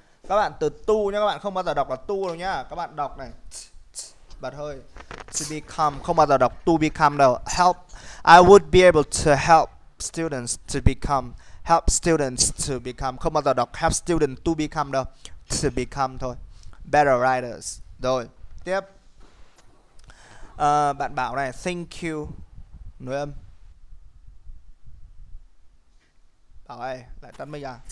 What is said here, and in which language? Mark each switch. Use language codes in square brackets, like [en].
[vi] Các bạn từ tu nha, các bạn không bao giờ đọc là tu đâu nhá. Các bạn đọc này. Bật hơi. [en] To become, [vi] không bao giờ đọc [en] to become [vi] đâu. [en] Help. I would be able to help students to become. Help students to become. [vi] Không bao giờ đọc [en] help students to become [vi] đâu. [en] To become thôi. Better writers. [vi] Rồi, tiếp. Bạn bảo này, [en] thank you. [vi] Nối âm. Bảo ơi, lại tắt mic à.